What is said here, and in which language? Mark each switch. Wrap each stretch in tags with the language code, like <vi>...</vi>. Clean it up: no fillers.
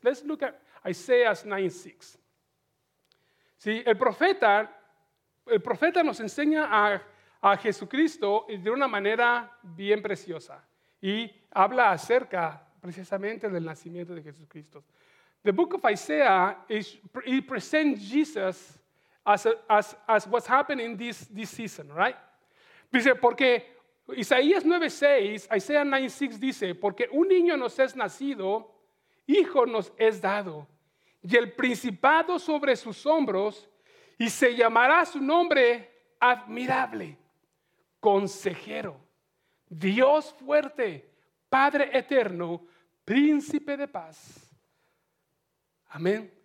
<en>Let's look at</en> <es>Isaías 9:6. Sí, el profeta nos enseña a Jesucristo de una manera bien preciosa y habla acerca precisamente del nacimiento de Jesucristo.</es> <en>The book of Isaiah it presents Jesus as what's happening this season, right?</en> <es>Dice porque Isaías 9:6, Isaías 9:6 dice, porque un niño nos es nacido, hijo nos es dado, y el principado sobre sus hombros, y se llamará su nombre admirable, consejero, Dios fuerte, Padre eterno, príncipe de paz. Amén.</es>